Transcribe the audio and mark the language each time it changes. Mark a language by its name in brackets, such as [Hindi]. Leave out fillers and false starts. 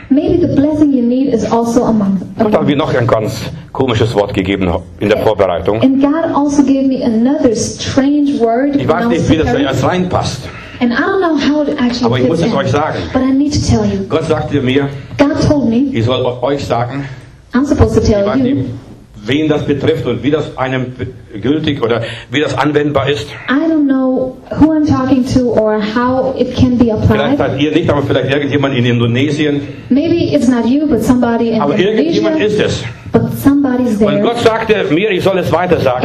[English] Maybe the blessing you need is also among them. [German] Gott hat mir noch ein ganz komisches Wort gegeben in der Vorbereitung. [English] And God also gave me another strange word [German] ich weiß nicht, wie das jetzt reinpasst. [English] And I don't know how it actually [German] Aber ich muss es euch sagen. [English] But I need to tell you. [German] Gott sagte mir, [English] God told me, [German] ich soll euch sagen, [English] I'm supposed to tell [German] ich weiß [English] you, [German] nicht, wen das betrifft und wie das einem gültig oder wie das anwendbar ist. [English] I don't know who I'm talking to or how it can be applied. [German] Vielleicht seid ihr nicht, aber vielleicht irgendjemand in Indonesien. [English] Maybe it's not you, but somebody in [German] aber [English] Indonesia. [German] Aber irgendjemand ist es. [English] But somebody's there. [German] Und Gott sagte mir, ich soll es weiter sagen.